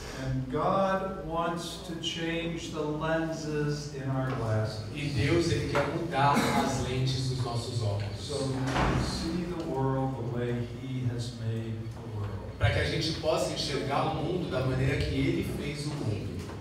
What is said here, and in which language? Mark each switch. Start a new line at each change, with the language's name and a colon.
English: And God wants to change the lenses in our glasses.
Portuguese: E Deus ele quer mudar as lentes dos nossos óculos.
English: So we can see the world the way He has made the world.
Portuguese: Para que a gente possa enxergar o mundo da maneira que Ele fez o mundo.